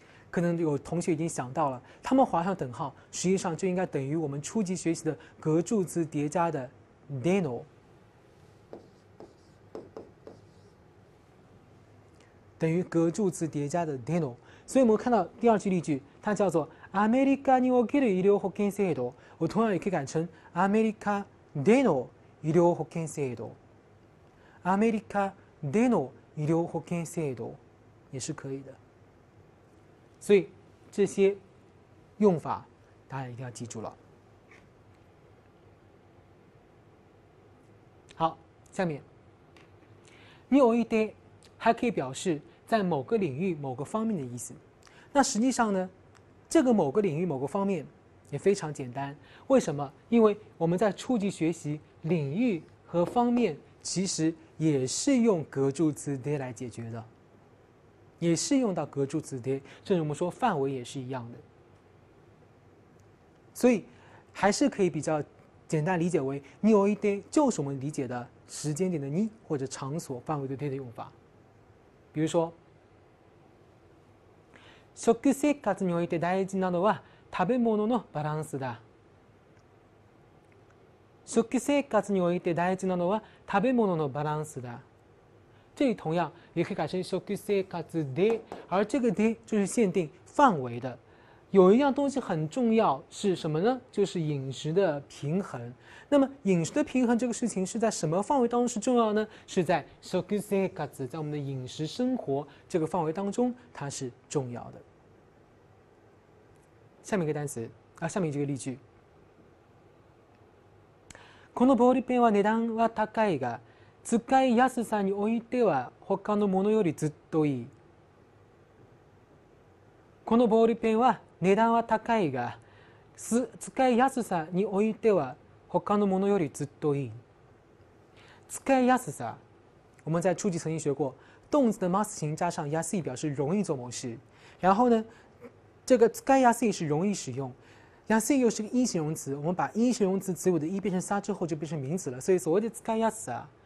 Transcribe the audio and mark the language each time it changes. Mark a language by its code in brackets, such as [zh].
[zh] 可能有同学已经想到了，他们划上等号实际上就应该等于我们初级学习的格助词叠加的 deno。等于格助词叠加的 deno。所以我们看到第二句例句，它叫做 [ja] アメリカにおける医療保険制度， [zh] 我同样也可以改成 [ja] アメリカでの医療保険制度， [zh] アメリカでの医療保険制度也是可以的。所以这些用法大家一定要记住了。好，下面において还可以表示在某个领域某个方面的意思。那实际上呢，这个某个领域某个方面也非常简单。为什么？因为我们在初级学习领域和方面其实也是用格助词で来解决的，也是用到格助词的，甚至我们说范围也是一样的。所以还是可以比较简单理解为において就是我们理解的时间点的に或者场所范围的で的用法。 [ja] 比如说食生活において大事なのは食べ物のバランスだ。食生活において大事なのは食べ物のバランスだ。 [zh] 这里同样也可以改成食生活で，而这个で就是限定范围的。有一样东西很重要是什么呢？就是饮食的平衡。那么饮食的平衡这个事情是在什么范围当中是重要呢？是在食生活，在我们的饮食生活这个范围当中它是重要的。下面一个单词啊，下面这个例句， [ja] このボールペンは値段は高いが使いやすさにおいては他のものよりずっといい。このボールペンは値段は高いが使いやすさにおいては他のものよりずっといい。使いやすさ， [zh] 我们在初级曾经学过动词的 must 形加上 やすい 表示容易做某事，然后呢这个使いやすい是容易使用，やすい又是个一形容词，我们把一形容词词尾的一变成さ之后就变成名词了，所以所谓的使いやすさ